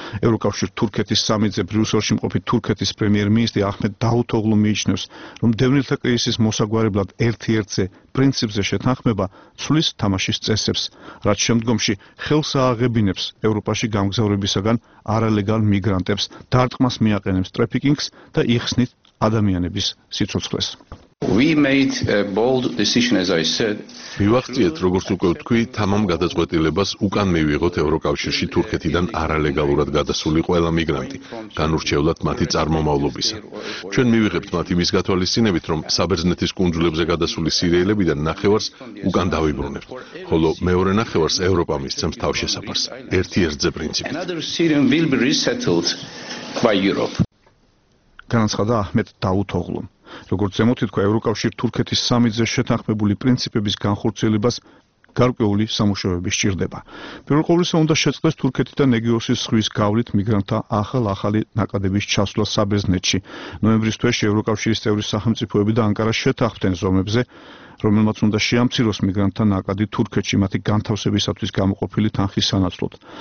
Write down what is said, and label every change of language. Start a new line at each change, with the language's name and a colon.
Georgian: ევროკავშირ თურქეთის სამიზნე ბრიუსელში მყოფი თურქეთის პრემიერ-მინისტრი აჰმედ დავუთოღლუ მიიჩნევს, რომ დევნილთა კრიზისის მოსაგვარებლად ერთ-ერთზე პრინციპზე შეთანხმება ცვლის თამაშის წესებს, რაც შემდგომში ხელს ააღებინებს ევროპაში გამგზავრებისაგან არალეგალ მიგრანტებს, დარტყმას მიაყენებს ტრაფიკინგს და იხსნით ადამიანების სიცოცხლეს.
English: We made a bold decision, as I said.
Georgian: მივახციეთ, როგორც უკვე ვთქვი, თამამ გადაწყვეტილებას უკან მივიღოთ ევროკავშირში თურქეთიდან არალეგალურად გადასული ყველა მიგრანტი, განურჩევლად მათი წარმომავლობისა. ჩვენ მივიღებთ მათ იმის გათვალისწინებით, რომ საბერძნეთის კუნძულებზე გადასული სირიელებიდან ნახევარს უკან დავიბრუნებთ, ხოლო მეორე ნახევარს ევროპა მისცემს თავშესაფარს ერთი ერთზე პრინციპით.
English: Another Syrian will be resettled by Europe.
Georgian: განაცხადა აჰმედ დავუთოღლუ. როგორც ზემოთ თქვა, ევროკავშირ თურქეთის სამიზნე შეთანხმებული პრინციპების განხორციელებას გარკვეული სამუშაოები სჭირდება. პირველ ყოვლისა უნდა შეწყდეს თურქეთიდან ეგეოსის ზღვის გავლით მიგრანტთა ახალ-ახალი ნაკადების ჩასვლა საბერძნეთში. ნოემბრის თვეში ევროკავშირის წევრი სახელმწიფოები და ანკარა შეთანხმდნენ ზომებზე, რომელმაც უნდა შეამციროს მიგრანტთა ნაკადი თურქეთში მათი განთავსებისათვის გამოყოფილი თანხის სანაცვლოდ.